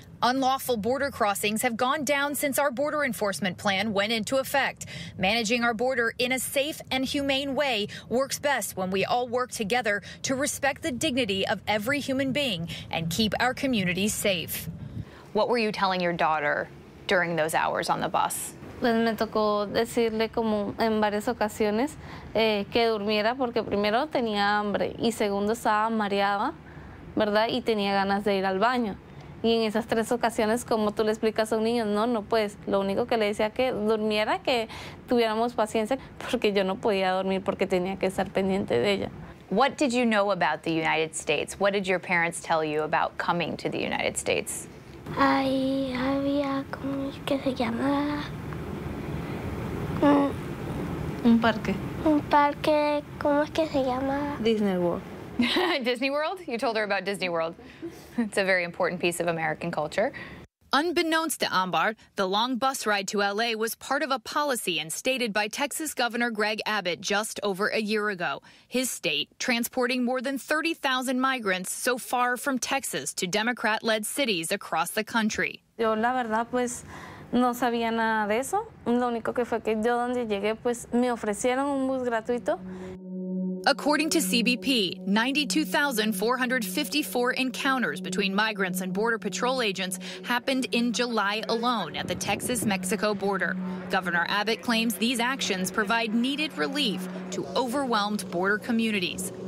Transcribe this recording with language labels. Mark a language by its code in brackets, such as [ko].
[en] Unlawful border crossings have gone down since our border enforcement plan went into effect. Managing our border in a safe and humane way works best when we all work together to respect the dignity of every human being and keep our communities safe. What were you telling your daughter during those hours on the bus? [es] Pues me tocó decirle como en varias ocasiones que durmiera porque primero tenía hambre y segundo estaba mareada, ¿verdad? Y tenía ganas de ir al baño. Y en esas tres ocasiones, como tú le explicas a un niño, no puedes. Lo único que le decía que durmiera, que tuviéramos paciencia porque yo no podía dormir porque tenía que estar pendiente de ella. [en] What did you know about the United States? What did your parents tell you about coming to the United States? [es] Ahí había como que se llama... Un parque. Un parque, ¿cómo es que se llama? Disney World. [en] Disney World? You told her about Disney World. It's a very important piece of American culture. Unbeknownst to Ambar, the long bus ride to L.A. was part of a policy instated by Texas Governor Greg Abbott just over a year ago. His state transporting more than 30,000 migrants so far from Texas to Democrat-led cities across the country. [es] Yo la verdad pues no sabía nada de eso. Lo único que fue que yo donde llegué pues me ofrecieron un bus gratuito. [en] According to CBP, 92,454 encounters between migrants and Border Patrol agents happened in July alone at the Texas-Mexico border. Governor Abbott claims these actions provide needed relief to overwhelmed border communities.